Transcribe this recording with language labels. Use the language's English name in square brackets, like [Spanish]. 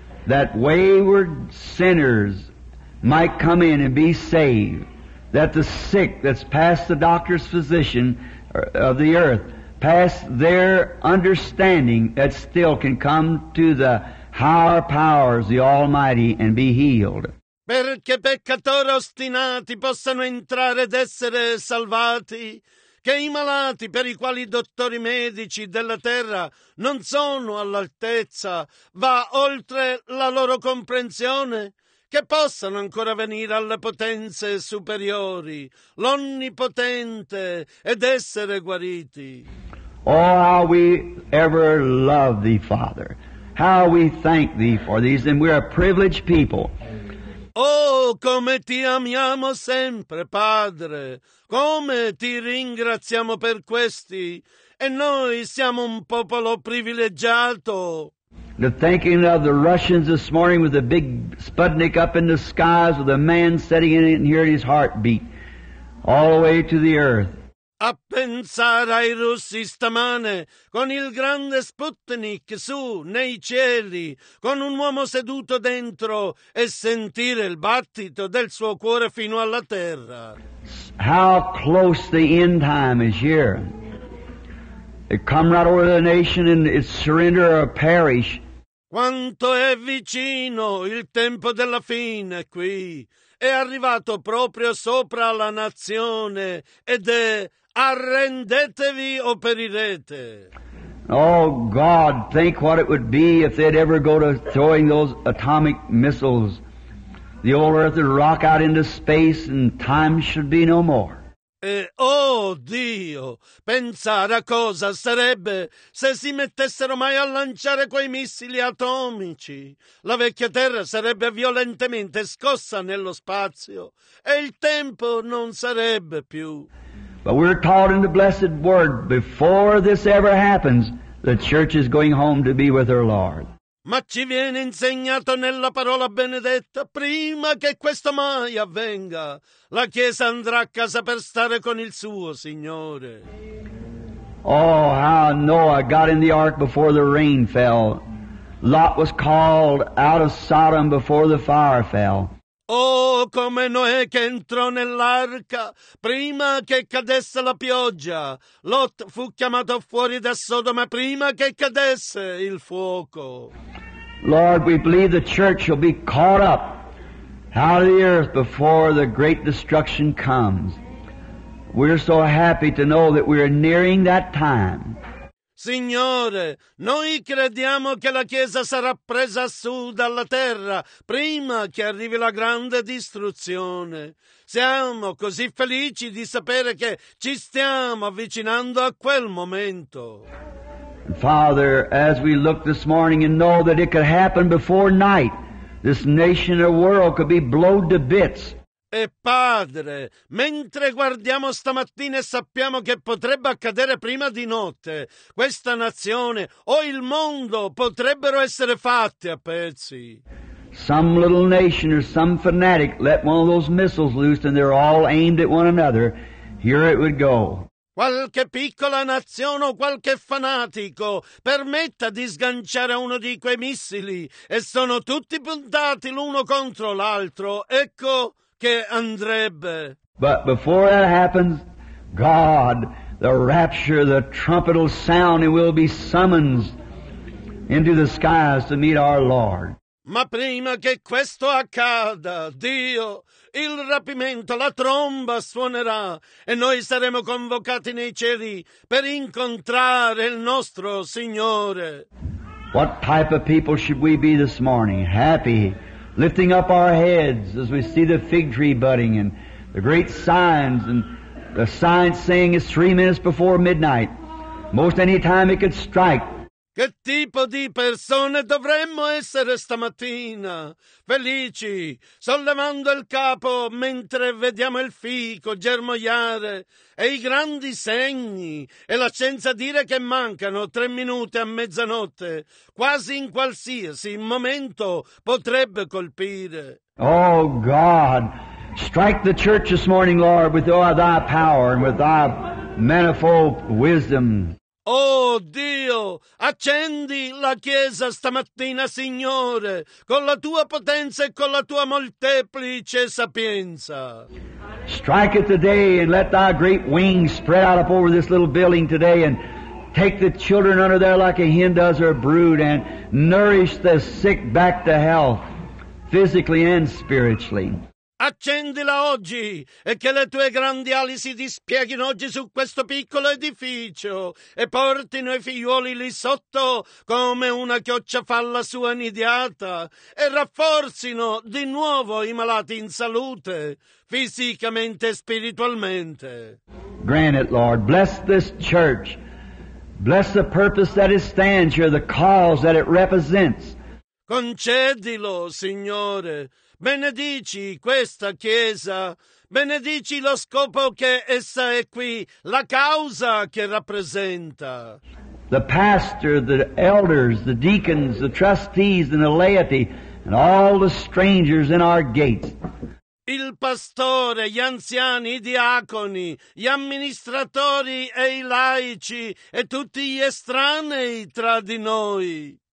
[English] That wayward sinners might come in and be saved, that the sick that's past the doctor's physician of the earth, past their understanding, that still can come to the our powers, the Almighty, and be healed. [Italian] Perché peccatori ostinati possano entrare ed essere salvati, che i malati per i quali i dottori medici della terra non sono all'altezza, va oltre la loro comprensione, che possano ancora venire alle potenze superiori, l'Onnipotente, ed essere guariti. [English] Oh, how we ever love Thee, Father. How we thank Thee for these, and we're a privileged people. [Italian] Oh, come Ti amiamo sempre, Padre. Come Ti ringraziamo per questi. E noi siamo un popolo privilegiato. [English] The thinking of the Russians this morning with the big Sputnik up in the skies with a man sitting in it and hearing his heartbeat all the way to the earth. [Italian] A pensare ai russi stamane con il grande Sputnik su nei cieli con un uomo seduto dentro e sentire il battito del suo cuore fino alla terra. [English] How close the end time is here. It come right over the nation and it's surrender or perish. [Italian] Quanto è vicino il tempo della fine qui. È arrivato proprio sopra la nazione ed è arrendetevi o perirete. [English] Oh, God, think what it would be if they'd ever go to throwing those atomic missiles. The old earth would rock out into space and time should be no more. [Italian] Oh, Dio, pensare a cosa sarebbe se si mettessero mai a lanciare quei missili atomici. La vecchia Terra sarebbe violentemente scossa nello spazio e il tempo non sarebbe più. [English] But we're taught in the blessed word, before this ever happens, the church is going home to be with her Lord. [Italian] Ma ci viene insegnato nella parola benedetta, prima che questo mai avvenga, la Chiesa andrà a casa per stare con il suo Signore. [English] Oh, how Noah got in the ark before the rain fell. Lot was called out of Sodom before the fire fell. [Italian] Oh, come Noè che entrò nell'arca prima che cadesse la pioggia. Lot fu chiamato fuori da Sodoma prima che cadesse il fuoco. [English] Lord, we believe the church will be caught up out of the earth before the great destruction comes. We're so happy to know that we're nearing that time. [Italian] Signore, noi crediamo che la Chiesa sarà presa su dalla terra prima che arrivi la grande distruzione. Siamo così felici di sapere che ci stiamo avvicinando a quel momento. [English] Father, as we look this morning and know that it could happen before night, this nation or world could be blown to bits. [Italian] E Padre, mentre guardiamo stamattina e sappiamo che potrebbe accadere prima di notte, questa nazione o il mondo potrebbero essere fatti a pezzi. [English] Some little nation or some fanatic let one of those missiles loose and they're all aimed at one another, here it would go. [Italian] Qualche piccola nazione o qualche fanatico permetta di sganciare uno di quei missili e sono tutti puntati l'uno contro l'altro, ecco che andrebbe. [English] But before that happens, God, the rapture, the trumpet will sound and we'll be summoned into the skies to meet our Lord. [Italian] Ma prima che questo accada, Dio, il rapimento, la tromba suonerà e noi saremo convocati nei cieli per incontrare il nostro Signore. [English] What type of people should we be this morning? Happy, lifting up our heads as we see the fig tree budding and the great signs and the signs saying it's 3 minutes before midnight. Most any time it could strike. [Italian] Che tipo di persone dovremmo essere stamattina? Felici, sollevando il capo mentre vediamo il fico germogliare e i grandi segni e la scienza dire che mancano 3 minuti a mezzanotte, quasi in qualsiasi momento potrebbe colpire. [English] Oh God, strike the church this morning, Lord, with all thy power and with thy manifold wisdom. [Italian] Oh Dio, accendi la Chiesa stamattina, Signore, con la Tua potenza e con la Tua molteplice sapienza. [English] Strike it today and let Thy great wings spread out up over this little building today and take the children under there like a hen does her brood and nourish the sick back to health, physically and spiritually. [Italian] Accendila oggi e che le tue grandi ali si dispieghino oggi su questo piccolo edificio e portino i figliuoli lì sotto come una chioccia fa la sua nidiata e rafforzino di nuovo i malati in salute, fisicamente e spiritualmente. [English] Grant it, Lord. Bless this church. Bless the purpose that it stands here, the cause that it represents. [Italian] Concedilo, Signore. Benedici questa chiesa, benedici lo scopo che essa è qui, la causa che rappresenta. [English] The pastor, the elders, the deacons, the trustees, and the laity, and all the strangers in our gates. [Italian] Il pastore, gli anziani, i diaconi, gli amministratori e i laici, e tutti gli estranei tra di noi.